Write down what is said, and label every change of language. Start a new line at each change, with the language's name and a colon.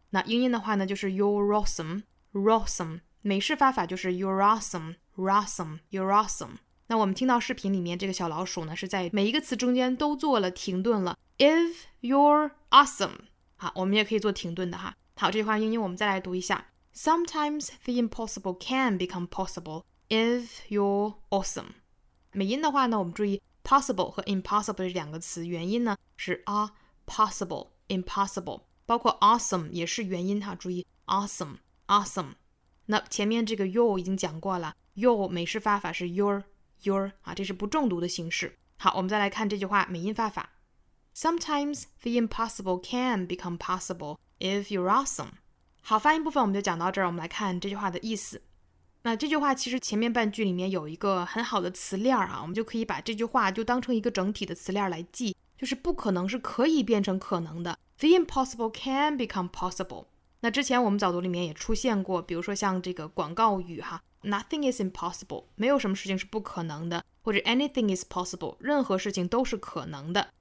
Chinese: 那英音的话呢，就是
English: you're awesome，
Chinese: 美式发法就是 you're awesome，you're awesome。那我们听到视频里面这个小老鼠呢，是在每一个词中间都做了停顿了。
English: If you're awesome，
Chinese: 好，我们也可以做停顿的哈。好，这句话英音我们再来读一下。
English: Sometimes the impossible can become possible if you're awesome.
Chinese: 美音的话呢，我们注意 possible 和 impossible 这两个词元音呢是 possible, impossible, 包括 awesome 也是元音哈，注意 awesome。那前面这个 you 已经讲过了 ，you 美式发法是 your 啊，这是不重读的形式。好，我们再来看这句话美音发法。
English: Sometimes the impossible can become possible if you're awesome.
Chinese: 好，发音部分我们就讲到这儿，我们来看这句话的意思。那这句话其实前面半句里面有一个很好的词链啊，我们就可以把这句话就当成一个整体的词链来记，就是不可能是可以变成可能的。
English: The impossible can become possible。
Chinese: 那之前我们早读里面也出现过，比如说像这个广告语哈 ,
English: Nothing is impossible,
Chinese: 没有什么事情是不可能的，或者
English: Anything is possible,
Chinese: 任何事情都是可能的。